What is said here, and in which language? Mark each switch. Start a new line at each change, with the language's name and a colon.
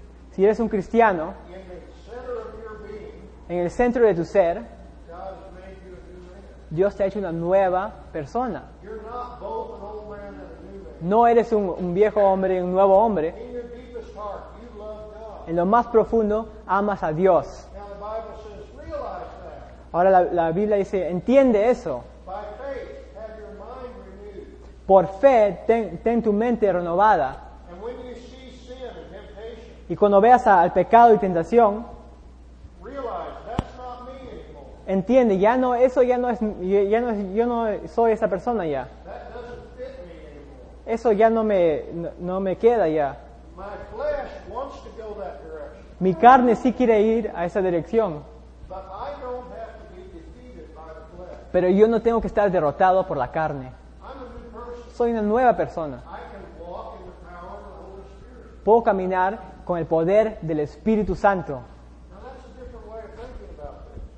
Spanish: Si eres un cristiano, en el centro de tu ser, Dios te ha hecho una nueva persona. No eres un viejo hombre y un nuevo hombre. En lo más profundo, amas a Dios. Ahora la Biblia dice, entiende eso.
English: By faith, have your mind renewed.
Spanish: Por fe, ten tu mente renovada.
English: And when you see sin and temptation,
Spanish: y cuando veas al pecado y tentación,
English: realize, that's not me anymore.
Spanish: Entiende, ya no, eso ya no es, ya no, yo no soy esa persona ya.
English: That doesn't fit me anymore.
Spanish: Eso ya no me queda ya.
English: My My flesh wants to go that direction.
Spanish: Mi carne sí quiere ir a esa dirección.
English: But I don't have to be defeated by the flesh.
Spanish: Pero yo no tengo que estar derrotado por la carne.
English: I'm a new person.
Spanish: Soy una nueva persona.
English: I can walk in the power of the Holy Spirit.
Spanish: Puedo caminar con el poder del Espíritu Santo.
English: Now that's a different way of thinking about this.